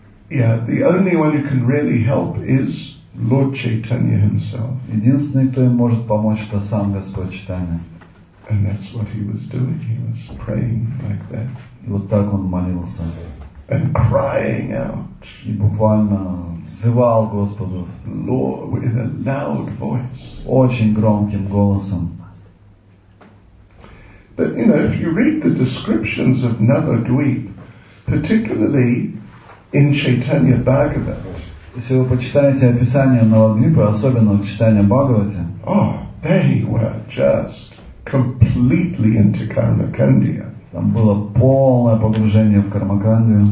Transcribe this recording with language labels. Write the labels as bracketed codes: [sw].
[en] Yeah, the only one who can really help is Lord Chaitanya himself. [ru] Единственный, кто им может помочь, это сам Господь Чайтанья. [en] And that's what he was doing. He was praying like that. [ru] И вот так он молился. [en] And crying out. [ru] И буквально взывал Господу. [en] Lord, with a loud voice. [ru] Очень громким голосом. [en] But you know, if you read the descriptions of Navadvip, particularly in Chaitanya Bhagavat. [ru] Если вы почитаете описание Навадвипы, особенно в читании Бхагавате, [en] they were just completely into Karma Kandya. [ru] Там было полное погружение в Кармакандию.